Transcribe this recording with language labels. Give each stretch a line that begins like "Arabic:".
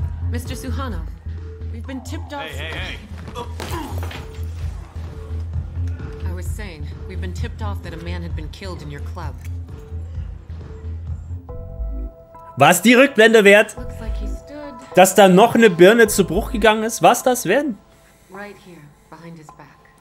English: Mr. Suhano. Been tipped off. Hey. I was saying, we've been tipped off that a man had been killed in your club.
German: Was die Rückblende wert? Dass da noch eine Birne zu Bruch gegangen ist? Was das wert?
English: Right here, behind his back.